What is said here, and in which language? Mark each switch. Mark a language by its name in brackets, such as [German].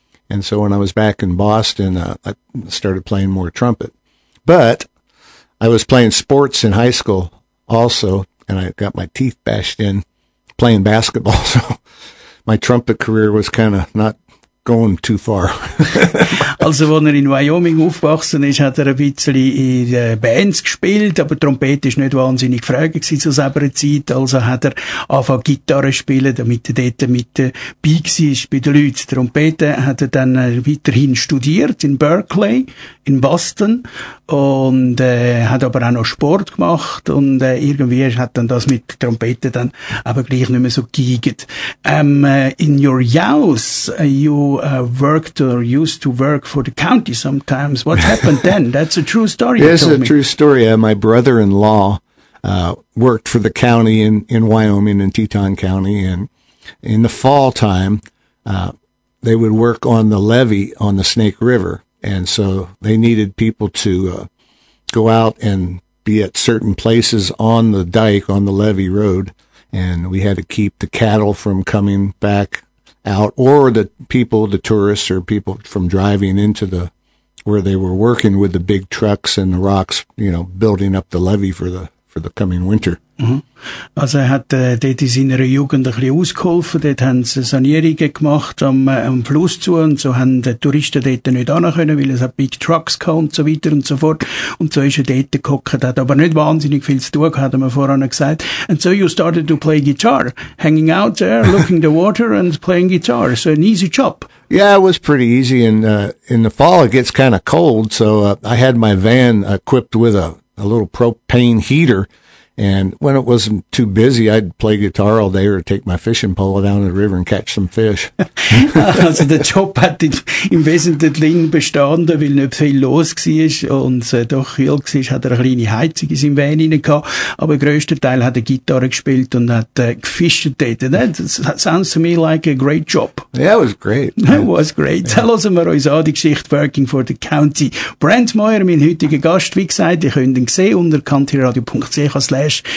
[English] And so when I was back in Boston, I started playing more trumpet. But I was playing sports in high school also, and I got my teeth bashed in playing basketball, so my trumpet career was kind of not going too far. [German] Also, wo er in Wyoming aufgewachsen ist, hat er ein bisschen in Bands gespielt, aber Trompete ist nicht wahnsinnig gefragt zu selber Zeit. Also hat er angefangen Gitarre spielen, damit er dort mit dabei war bei den Leuten. Trompete hat er dann weiterhin studiert in Berklee, in Boston, und hat aber auch noch Sport gemacht, und irgendwie hat dann das mit Trompete dann aber gleich nicht mehr so geiget. [English] In your house, you worked or used to work for the county sometimes. What happened then? That's a true story. Yes, it's a true story. My brother-in-law worked for the county in Wyoming, in Teton County, and in the fall time, they would work on the levee on the Snake River. And so they needed people to go out and be at certain places on the dike, on the levee road, and we had to keep the cattle from coming back out, or the people, the tourists, or people from driving into the where they were working with the big trucks and the rocks, you know, building up the levee for the coming winter. [German] Also er hat dort in seiner Jugend ein bisschen ausgeholfen, dort haben sie Sanierungen gemacht am Fluss zu und so haben die Touristen dort nicht hin können, weil es hat Big Trucks gehabt und so weiter und so fort. Und so ist er dort gehockt, hat aber nicht wahnsinnig viel zu tun gehabt, hat man vorhin gesagt. [English] And so you started to play guitar, hanging out there, looking the water and playing guitar. So an easy job. Yeah, it was pretty easy. And in the fall it gets kind of cold, so I had my van equipped with a little propane heater. And when it wasn't too busy, I'd play guitar all day or take my fishing pole down the river and catch some fish. Also der Job hat im Wesentlichen bestanden, weil nicht viel los war und doch kühl war, hat er eine kleine Heizung in seinem Van gehabt. Aber größter Teil hat er Gitarre gespielt und hat gefischt. That sounds to me like a great job. Yeah, it was great. It was great. Yeah. [German] So hören wir uns an die Geschichte Working for the County. Brent Meyer, mein heutiger Gast, wie gesagt, ihr könnt ihn sehen unter countryradio.ch.